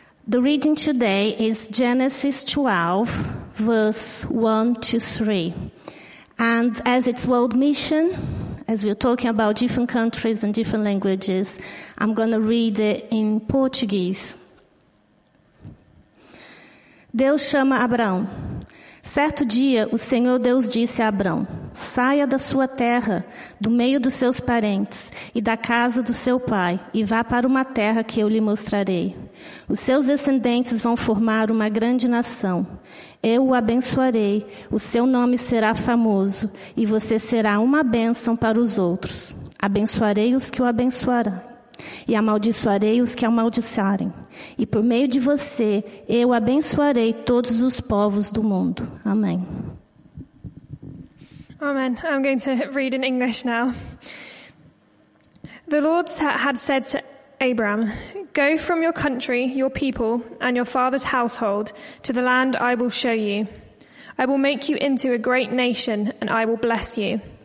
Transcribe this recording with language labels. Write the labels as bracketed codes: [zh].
[en] The reading today is Genesis 12, verse 1 to 3. And as it's World Mission, as we're talking about different countries and different languages, I'm going to read it in Portuguese. [pt] Deus chama Abraão. Certo dia, o Senhor Deus disse a Abraão, saia da sua terra, do meio dos seus parentes e da casa do seu pai e vá para uma terra que eu lhe mostrarei. Os seus descendentes vão formar uma grande nação. Eu o abençoarei, o seu nome será famoso e você será uma bênção para os outros. Abençoarei os que o abençoarão e amaldiçoarei os que amaldiçoarem. E por meio de você, eu abençoarei todos os povos do mundo. Amém. [en] Amen. I'm going to read in English now. The Lord had said to Abraham, go from your country, your people, and your father's household to the land I will show you. I will make you into a great nation, and I will bless you.